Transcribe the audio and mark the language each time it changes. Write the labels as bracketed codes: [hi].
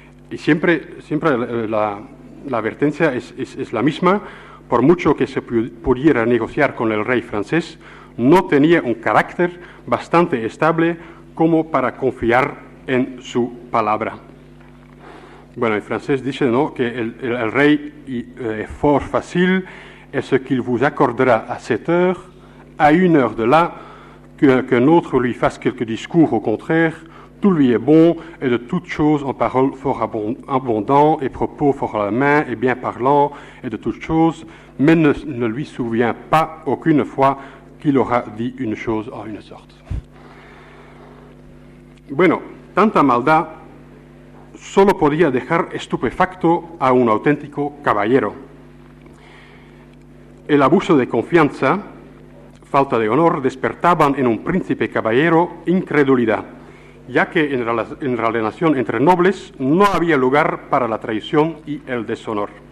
[es] Y siempre la advertencia es la misma: por mucho que se pudiera negociar con el rey francés, no tenía un carácter bastante estable como para confiar en su palabra. Bueno, el francés dice, ¿no?, que el rey es [fr] fort facile, es ce qu'il vous accordera a 7 heures, a 1 heure de là, qu'un autre lui fasse quelques discours au contraire, tout lui est bon, et de toutes choses en paroles fort abondant, et propos fort à la main, et bien parlant, et de toutes choses, mais ne lui souvient pas aucune fois qu'il aura dit une chose en une sorte. [es] Bueno, tanta maldad solo podía dejar estupefacto a un auténtico caballero. El abuso de confianza, falta de honor, despertaban en un príncipe caballero incredulidad, ya que en la relación entre nobles no había lugar para la traición y el deshonor.